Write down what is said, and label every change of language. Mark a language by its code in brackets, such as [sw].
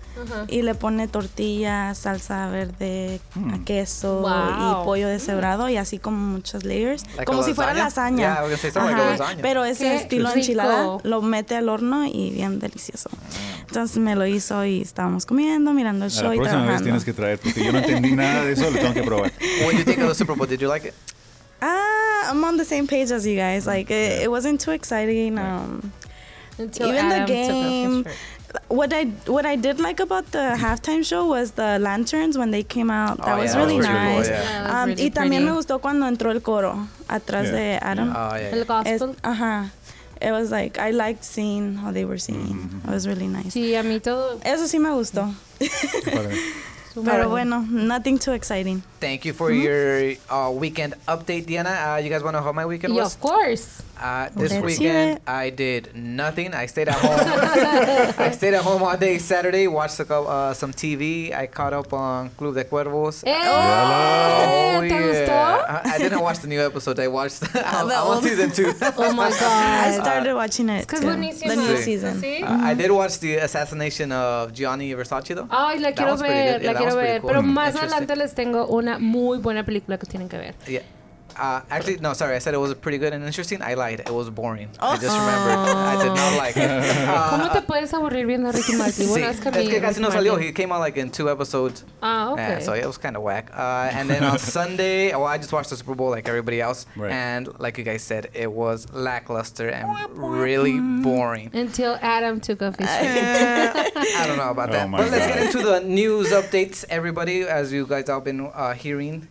[es] Uh-huh. Y le pone tortilla, salsa verde, a queso y pollo deshebrado y así como muchas layers. [en] Like [es] como si fuera lasaña. [en] Yeah, I was gonna say something like a lasagna. [es] Pero ese qué estilo rico. Enchilada lo mete al horno y bien delicioso. Entonces me lo hizo y estábamos comiendo, mirando el show y trabajando. La próxima vez tienes que traer porque yo no entendí nada de eso, lo tengo que probar. [en] What did you think of the Super Bowl? Did you like it? I'm on the same page as you guys. Like, it wasn't too exciting. Until even Adam the game. What I did like about the halftime show was the lanterns when they came out. That was really nice. Really [es] y también me gustó cuando entró el coro atrás de Adam. El gospel. [en] It was like, I liked seeing how they were singing. Mm-hmm. It was really nice. [es] Sí, a mí todo. Eso sí me gustó. Pero bueno, [en] nothing too exciting. Thank you for your weekend update, Diana. You guys want to know how my weekend was? Of course. This weekend, I did nothing. I stayed at home. I stayed at home all day Saturday, watched some TV. I caught up on Club de Cuervos. Oh, yeah. I didn't watch the new episode. I watched season two. Oh, my God. I started watching it. The new season. I did watch the assassination of Gianni Versace, though. [es] Ay, la quiero ver. Cool. Pero más adelante les tengo una muy buena película que tienen que ver. [en] Yeah. Actually, I said it was pretty good and interesting. I lied. It was boring. Oh. I just remembered. I did not like it. [es] ¿Cómo te puedes aburrir viendo a Ricky Martin? Sí. Es que casi no salió. [en] He came out like in two episodes. Ah, okay. So it was kind of whack. And then on Sunday, I just watched the Super Bowl like everybody else. Right. And like you guys said, it was lackluster and really boring. Until Adam took off his shirt. I don't know about that. Oh, but God. Let's get into the news updates, everybody, as you guys have been hearing.